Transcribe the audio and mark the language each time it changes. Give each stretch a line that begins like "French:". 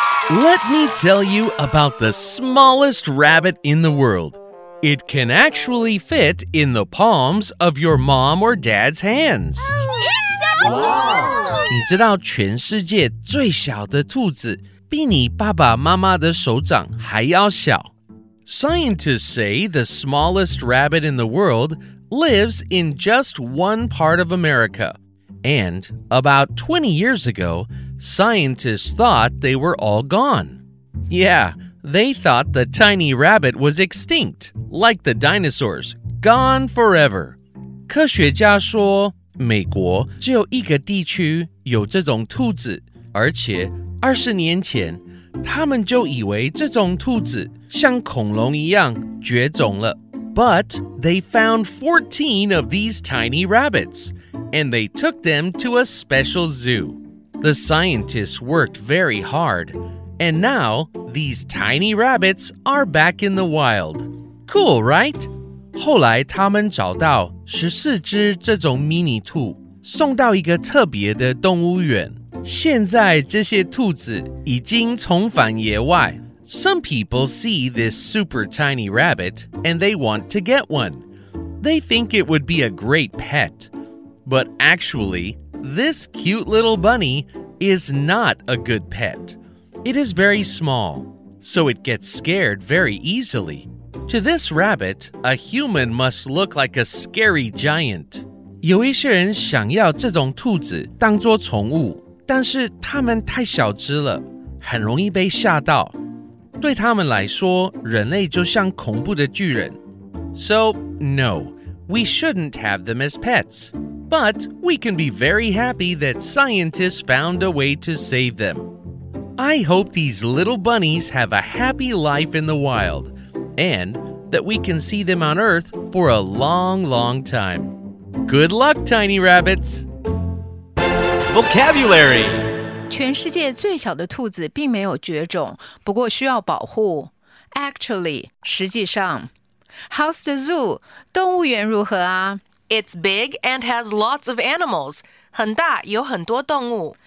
English: Let me tell you about the smallest rabbit in the world. It can actually fit in the palms of your mom or dad's hands. It's so cute! Wow.
Chinese: 你知道全世界最小的兔子比你爸爸妈妈的手掌还要小。
English: Scientists say the smallest rabbit in the world lives in just one part of America. And about 20 years ago, scientists thought they were all gone. Yeah, they thought the tiny rabbit was extinct, like the dinosaurs, gone forever.
Chinese: 科学家说，美国只有一个地区有这种兔子，而且二十年前，他们就以为这种兔子像恐龙一样绝种了。
English: But they found 14 of these tiny rabbits, and they took them to a special zoo. The scientists worked very hard, and now these tiny rabbits are back in the wild. Cool, right?
Chinese: 后来他们找到14只这种迷你兔，送到一个特别的动物园。现在这些兔子已经重返野外。
English: Some people see this super tiny rabbit and they want to get one. They think it would be a great pet. But actually, this cute little bunny is not a good pet. It is very small, so it gets scared very easily. To this rabbit, a human must look like a scary giant.
Chinese: 有一些人想要这种兔子当作宠物，但是它们太小只了，很容易被吓到。对他们来说，人类就像恐怖的巨人。
English: So, no, we shouldn't have them as pets. But we can be very happy that scientists found a way to save them. I hope these little bunnies have a happy life in the wild, and that we can see them on Earth for a long, long time. Good luck, tiny rabbits! Vocabulary!
Chinese: 全世界最小的兔子并没有绝种，不过需要保护。
English: Actually,
Chinese: 实际上。
English: How's the zoo?
Chinese: 动物园如何啊？
English: It's big and has lots of animals.
Chinese: 很大，有很多动物。